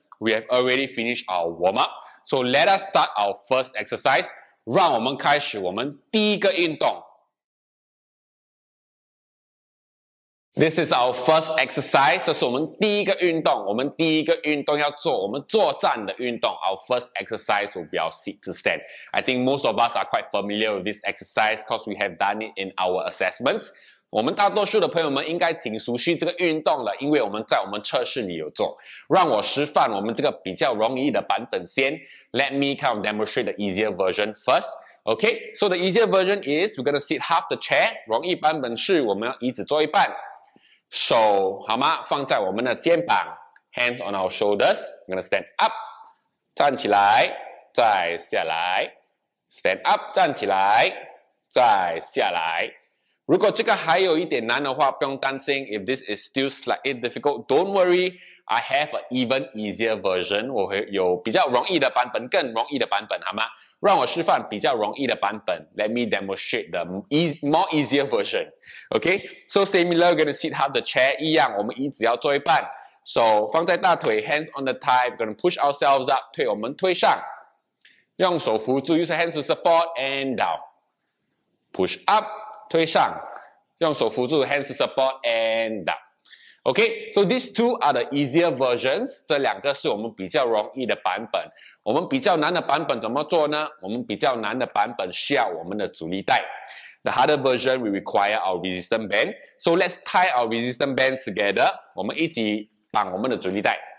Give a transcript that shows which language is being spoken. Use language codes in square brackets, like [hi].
[en] We have already finished our warm-up. So let us start our first exercise. [zh] 让我们开始我们第一个运动. [en] This is our first exercise. [zh] 这是我们第一个运动. 我们第一个运动要做, 我们作战的运动. [en] Our first exercise will be our sit to stand. I think most of us are quite familiar with this exercise because we have done it in our assessments. [zh] 我们大多数的朋友们应该挺熟悉这个运动了, 因为我们在我们测试里有做. 让我示范我们这个比较容易的版本先. [en] Let me kind of demonstrate the easier version first. Okay, so the easier version is we're going to sit half the chair. [zh] 容易版本是我们要椅子坐一半. 手, 好吗?放在我们的肩膀. [en] Hands on our shoulders. I'm going to stand up. [zh] 站起来. 再下来. [en] Stand up. [zh] 站起来. 再下来. 如果这个还有一点难的话, 不用担心. [en] If this is still slightly difficult, don't worry. I have an even easier version. [zh] 我会有比较容易的版本, 好吗?让我示范比较容易的版本. [en] Let me demonstrate the easier version. Okay? So similar, we're going to sit half the chair, [zh] 一样, 我们椅子要坐一半. [en] So [zh] 放在大腿, [en] hands on the thigh, we're going to push ourselves up, [zh] 推我们推上. 用手扶住, [en] use hands to support, and down. Push up, [zh] 推上. 用手扶住, [en] hands to support, and down. Okay, so these two are the easier versions. [zh] 这两个是我们比较容易的版本.我们比较难的版本怎么做呢? 我们比较难的版本需要我们的阻力带. [en] The harder version will require our resistance band. So let's tie our resistance bands together. [zh] 我们一起绑我们的阻力带.